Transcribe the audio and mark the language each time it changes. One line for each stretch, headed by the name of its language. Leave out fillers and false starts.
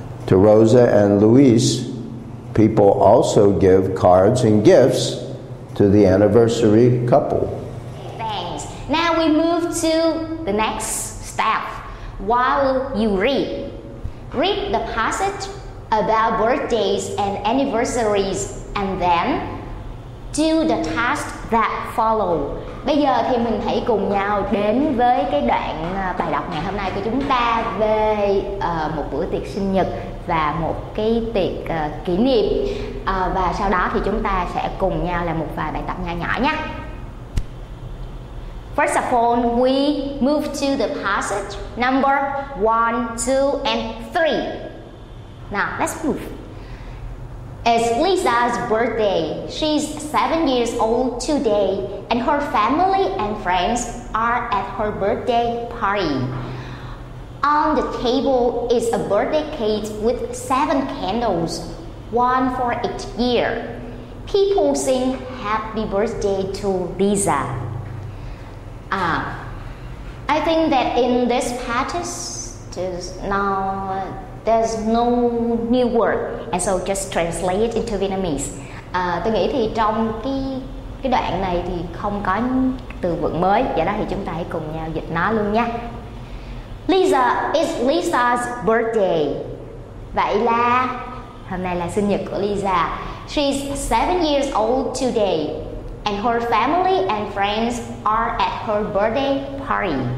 English: To Rosa and Luis, people also give cards and gifts to the anniversary couple. Now we move to the next step while you read. Read the passage about birthdays and anniversaries and then do the task that follow.
Vietnamese: Bây giờ thì mình hãy cùng nhau đến với cái đoạn bài đọc ngày hôm nay của chúng ta về một bữa tiệc sinh nhật và một cái tiệc kỷ niệm. Và sau đó thì chúng ta sẽ cùng nhau làm một vài bài tập nhỏ nhỏ nhé.
English: First of all, we move to the passage number 1, 2, and 3. Now, let's move. It's Lisa's birthday. She's 7 years old today, and her family and friends are at her birthday party. On the table is a birthday cake with 7 candles, one for each year. People sing happy birthday to Lisa. I think that in this passage, now there's no new word, and so just translate it into Vietnamese.
Vietnamese: Tôi nghĩ thì trong cái đoạn này thì không có từ vựng mới, vậy đó thì chúng ta hãy cùng nhau dịch nó luôn nha.
English: Lisa is Lisa's birthday.
Vietnamese: Vậy là hôm nay là sinh nhật của Lisa.
English: She's 7 years old today. And her family and friends are at her birthday party.